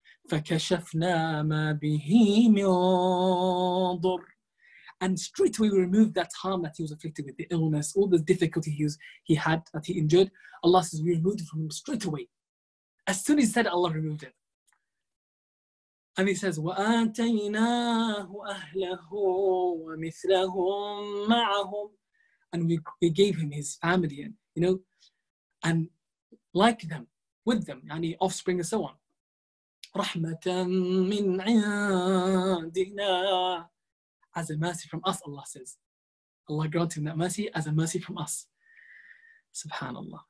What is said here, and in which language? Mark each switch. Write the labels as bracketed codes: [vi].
[ar] فَكَشَفْنَا مَا بِهِ مِنْ ضُرٍ. [en] And straight away we removed that harm that he was afflicted with, the illness, all the difficulty he had, that he endured. Allah says, we removed it from him straight away. As soon as he said it, Allah removed it. And he says, [ar] وَآتَيْنَاهُ أَهْلَهُ وَمِثْلَهُمْ مَعَهُمْ. [en] And we gave him his family, and, you know, and like them, with them, and his offspring and so on. [ar] رَحْمَةً مِّنْ عِنْدِنَا. [en] As a mercy from us, Allah says. Allah grant him that mercy as a mercy from us. Subhanallah.